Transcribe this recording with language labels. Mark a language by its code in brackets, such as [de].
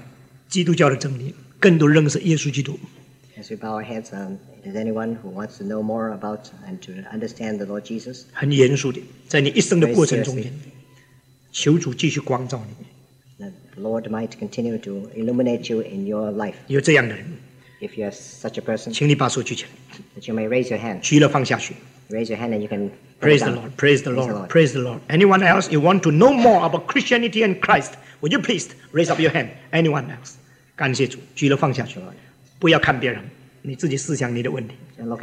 [zh] 大家人就低头。我要问一个问题：有哪一个人，你说我愿意更多明白基督教的真理，更多认识耶稣基督 [en] ？As we bow our heads, is anyone who wants to know more about and to understand the Lord Jesus? [zh] 很严肃的，在你一生的过程中间，求主继续光照你。 [en] The Lord might continue to illuminate you in your life. [zh] 有这样的人。If [en] you are such a person, [zh] 请你把手举起来。That [en] you may raise your hand. [zh] 举了放下去。 [en] Raise your hand and you can praise the Lord. Praise the Lord. Praise the Lord. Anyone else you want to know more about Christianity and Christ? Would you please raise up your hand? Anyone else? [zh] 感谢主，举了放下去，不要看别人，你自己思想你的问题。Look